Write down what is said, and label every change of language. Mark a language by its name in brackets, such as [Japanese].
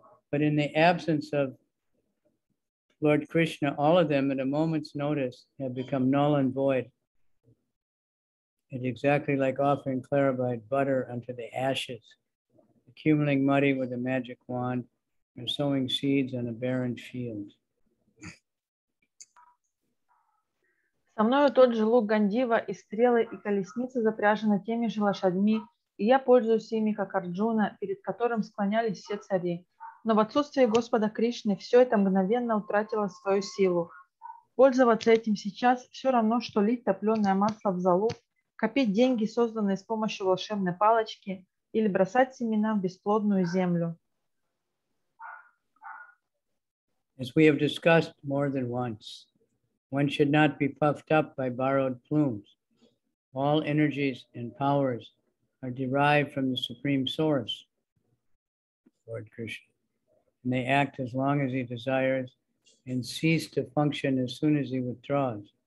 [English] But in the absence of Lord Krishna, all of them at a moment's notice have become null and void. It's exactly like offering clarified butter unto the ashes, accumulating muddy with a magic wand, or sowing seeds on a barren field. [Russian] Со мною тот же лук Гандива, и стрелы, и колесницы запряжены теми же лошадьми, и я пользуюсь ими, как Арджуна, перед которым склонялись все цари. Но в отсутствие Господа Кришны все это мгновенно утратило свою силу. Пользоваться этим сейчас все равно, что лить топленое масло в золу, копить деньги, созданные с помощью волшебной палочки, или бросать семена в бесплодную землю. [English] As we have discussed more than once, one should not be puffed up by borrowed plumes. All energies and powers are derived from the Supreme Source, Lord Krishna, and they act as long as he desires and cease to function as soon as he withdraws.